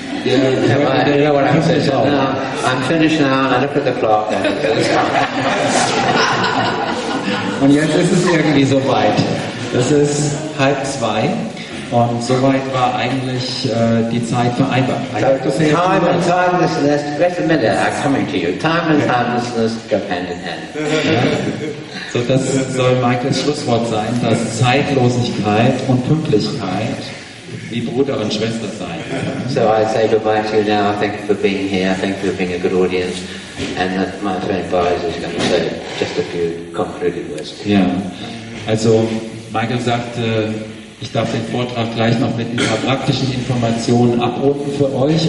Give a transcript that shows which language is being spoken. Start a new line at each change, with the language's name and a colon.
English: I'm finished now, I look at the clock, and it's time.
German: Und jetzt ist es irgendwie so weit. Es ist 2:30. Und soweit war eigentlich die Zeit vereinbart.
English: So, time and timelessness, wait a minute, I'm coming to you. Time and timelessness go hand in hand.
German: So, das soll Michaels Schlusswort sein, dass Zeitlosigkeit und Pünktlichkeit wie Bruder und Schwester sein.
English: So I say goodbye to you now, thank you for being here, thank you for being a good audience, and that my friend Boris is going to say just a few concluded words.
German: Ja, also Michael sagt, ich darf den Vortrag gleich noch mit ein paar praktischen Informationen abrufen für euch.